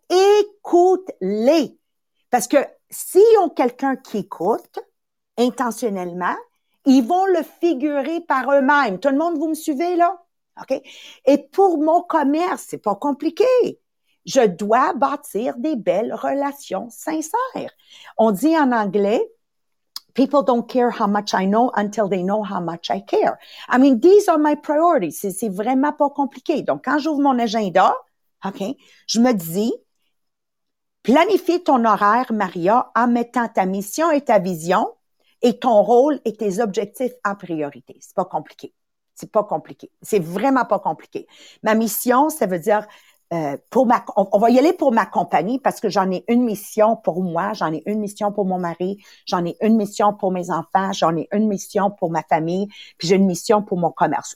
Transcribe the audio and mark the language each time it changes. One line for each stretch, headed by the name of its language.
French: Écoute-les. Parce que s'ils ont quelqu'un qui écoute intentionnellement, ils vont le figurer par eux-mêmes. Tout le monde, vous me suivez là? OK? Et pour mon commerce, c'est pas compliqué. Je dois bâtir des belles relations sincères. On dit en anglais,
English: people don't care how much I know until they know how much I care. I mean, these are my priorities.
French: C'est vraiment pas compliqué. Donc, quand j'ouvre mon agenda, OK, je me dis, planifie ton horaire, Maria, en mettant ta mission et ta vision et ton rôle et tes objectifs en priorité. C'est pas compliqué. C'est pas compliqué. C'est vraiment pas compliqué. Ma mission, ça veut dire, on va y aller pour ma compagnie parce que j'en ai une mission pour moi, j'en ai une mission pour mon mari, j'en ai une mission pour mes enfants, j'en ai une mission pour ma famille, puis j'ai une mission pour mon commerce.